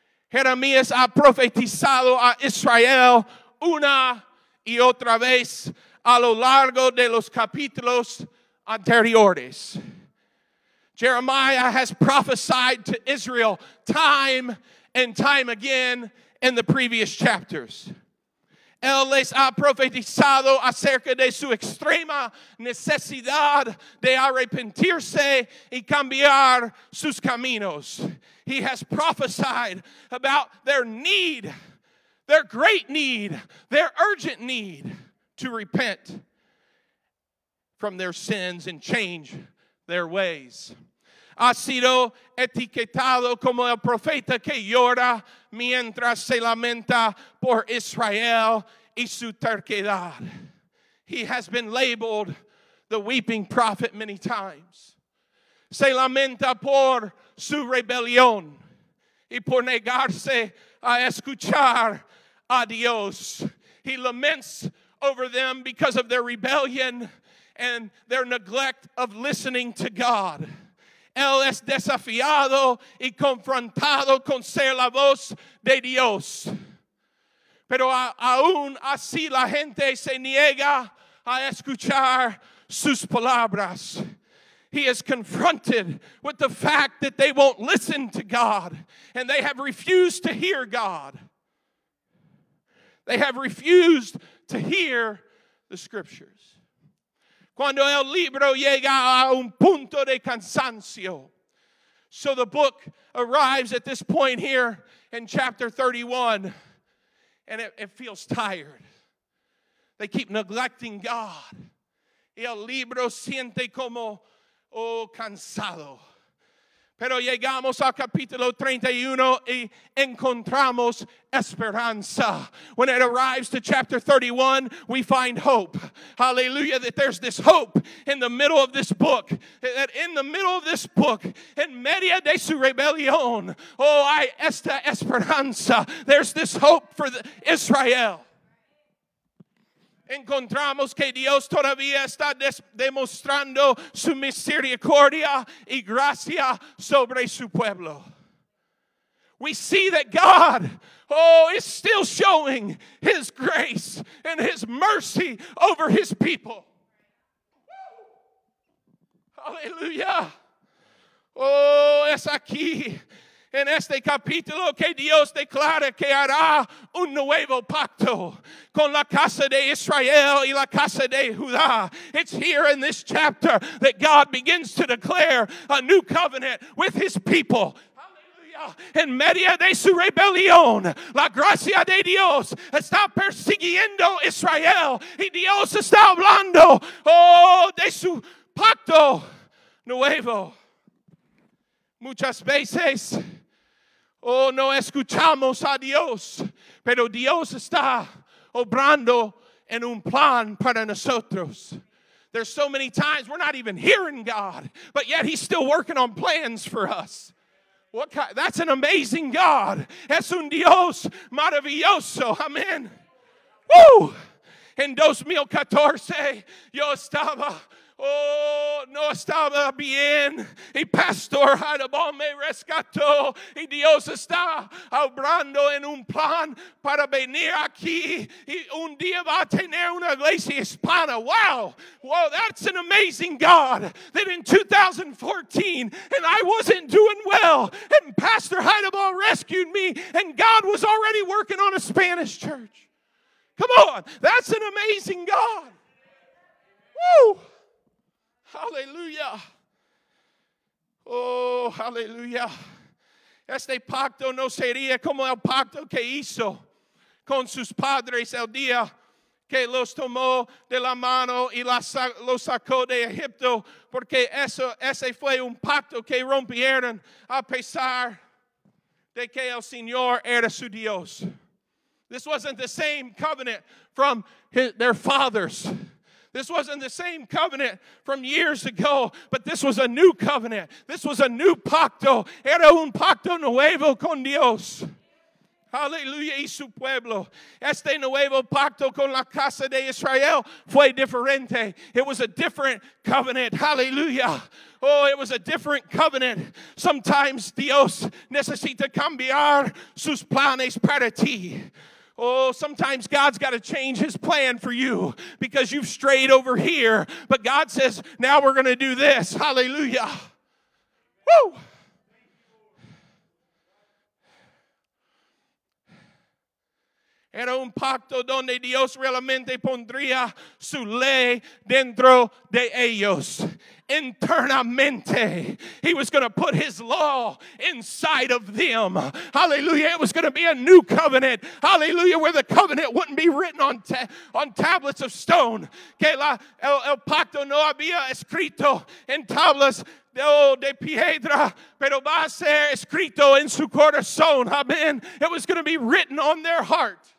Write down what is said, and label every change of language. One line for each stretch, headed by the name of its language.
Spanish: Jeremías ha profetizado a Israel una y otra vez a lo largo de los capítulos anteriores.
English: Jeremiah has prophesied to Israel time and time again in the previous chapters.
Spanish: Él les ha profetizado acerca de su extrema necesidad de arrepentirse y cambiar sus caminos.
English: He has prophesied about their need, their great need, their urgent need to repent from their sins and change their ways.
Spanish: Ha sido etiquetado como el profeta que llora mientras se lamenta por Israel y su terquedad.
English: He has been labeled the weeping prophet many times.
Spanish: Se lamenta por su rebelión y por negarse a escuchar a Dios.
English: He laments over them because of their rebellion and their neglect of listening to God.
Spanish: Él es desafiado y confrontado con ser la voz de Dios. Pero aún así la gente se niega a escuchar sus palabras.
English: he is confronted with the fact that they won't listen to God and they have refused to hear God. They have refused to hear the scriptures.
Spanish: Cuando el libro llega a un punto de cansancio.
English: So the book arrives at this point here in chapter 31, and it feels tired. They keep neglecting God.
Spanish: El libro siente como cansado. Pero llegamos al capítulo 31 y encontramos esperanza.
English: When it arrives to chapter 31, we find hope. Hallelujah, that there's this hope in the middle of this book. That in the middle of this book,
Spanish: en medio de su rebelión, hay esta esperanza.
English: There's this hope for Israel.
Spanish: Encontramos que Dios todavía está demostrando su misericordia y gracia sobre su pueblo.
English: We see that God, is still showing his grace and his mercy over his people. Hallelujah.
Spanish: Es aquí, en este capítulo, que Dios declara que hará un nuevo pacto con la casa de Israel y la casa de Judá.
English: It's here in this chapter that God begins to declare a new covenant with his people.
Spanish: En medio de su rebelión, la gracia de Dios está persiguiendo Israel. Y Dios está hablando de su pacto nuevo. Muchas veces, no escuchamos a Dios, pero Dios está obrando en un plan para nosotros.
English: There's so many times we're not even hearing God, but yet he's still working on plans for us. That's an amazing God.
Spanish: Es un Dios maravilloso.
English: Amen. Woo!
Spanish: En 2014, yo estaba... no estaba bien. Y Pastor Hadabon me rescató. Y Dios está obrando en un plan para venir aquí. Y un día va a tener una iglesia hispana.
English: Wow. Wow, that's an amazing God. That in 2014, and I wasn't doing well, and Pastor Hadabon rescued me, and God was already working on a Spanish church. Come on. That's an amazing God. Woo. Hallelujah. Hallelujah.
Spanish: Este pacto no sería como el pacto que hizo con sus padres el día que los tomó de la mano y los sacó de Egipto, porque ese fue un pacto que rompieron a pesar de que el Señor era su Dios.
English: This wasn't the same covenant from their fathers. This wasn't the same covenant from years ago, but this was a new covenant. This was a new pacto.
Spanish: Era un pacto nuevo con Dios. Hallelujah, y su pueblo. Este nuevo pacto con la casa de Israel fue diferente.
English: It was a different covenant. Hallelujah. It was a different covenant. Sometimes
Spanish: Dios necesita cambiar sus planes para ti.
English: Sometimes God's got to change his plan for you because you've strayed over here. But God says, now we're going to do this. Hallelujah. Woo!
Spanish: Era un pacto donde Dios realmente pondría su ley dentro de ellos. Internamente,
English: he was going to put his law inside of them. Hallelujah. It was going to be a new covenant. Hallelujah. Where the covenant wouldn't be written on tablets of stone.
Spanish: Que el pacto no había escrito en tablas de piedra, pero va a ser escrito en su corazón. Amen.
English: It was going to be written on their heart.